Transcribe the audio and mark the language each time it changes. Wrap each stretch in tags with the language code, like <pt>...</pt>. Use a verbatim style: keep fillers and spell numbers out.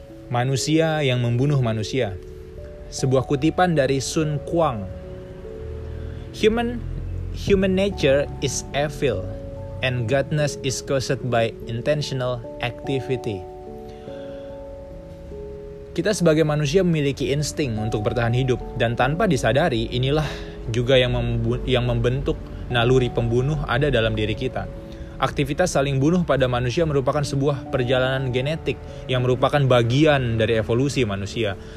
<id>Manusia yang membunuh manusia. Sebuah kutipan dari Sun Quang.</id> <en>Human human nature is evil and godness is caused by intentional activity.</en> <id>Kita sebagai manusia memiliki insting untuk bertahan hidup dan tanpa disadari inilah juga yang membu- yang membentuk naluri pembunuh ada dalam diri kita. Aktivitas saling bunuh pada manusia merupakan sebuah perjalanan genetik yang merupakan bagian dari evolusi manusia.</id>